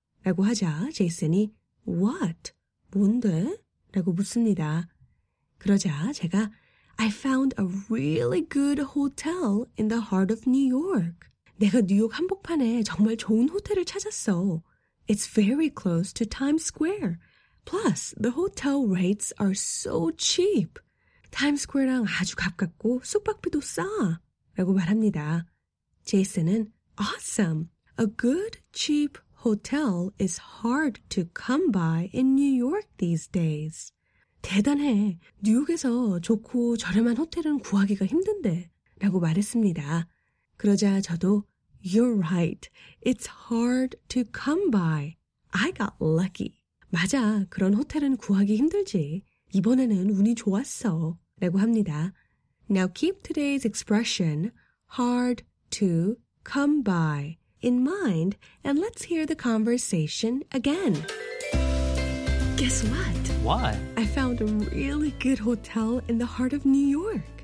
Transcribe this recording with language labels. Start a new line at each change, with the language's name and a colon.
Korean: 라고 하자 제이슨이 What? 뭔데? 라고 묻습니다. 그러자 제가
English: I found a really good hotel in the heart of New York.
Korean: 내가 뉴욕 한복판에 정말 좋은 호텔을 찾았어.
English: It's very close to Times Square. Plus, the hotel rates are so cheap.
Korean: Times Square랑 아주 가깝고 숙박비도 싸. 라고 말합니다. 제이슨은 Awesome!
English: A good, cheap hotel is hard to come by in New York these days.
Korean: 대단해. 뉴욕에서 좋고 저렴한 호텔은 구하기가 힘든데. 라고 말했습니다. 그러자 저도
English: You're right. It's hard to come by. I got lucky. 맞아.
Korean: 그런 호텔은 구하기 힘들지. 이번에는 운이 좋았어. 라고 합니다.
English: Now keep today's expression hard to come by in mind and let's hear the conversation again. Guess what? What? I found a really good hotel in the heart of New York.